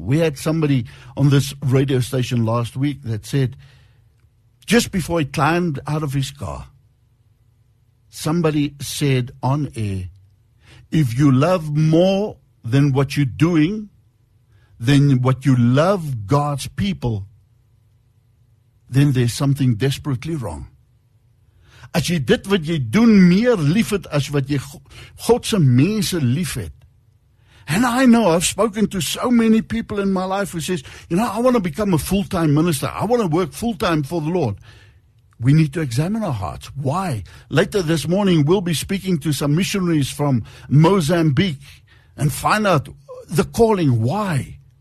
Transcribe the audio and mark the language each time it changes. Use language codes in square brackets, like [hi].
[en] We had somebody on this radio station last week that said, just before he climbed out of his car, somebody said on air, if you love more than what you're doing, than what you love God's people, then there's something desperately wrong. [af] As jy dit wat jy doen meer lief het as wat jy Godse mense lief het. [en] And I know, I've spoken to so many people in my life who says, you know, I want to become a full-time minister. I want to work full-time for the Lord. We need to examine our hearts. Why? Later this morning, we'll be speaking to some missionaries from Mozambique and find out the calling. Why?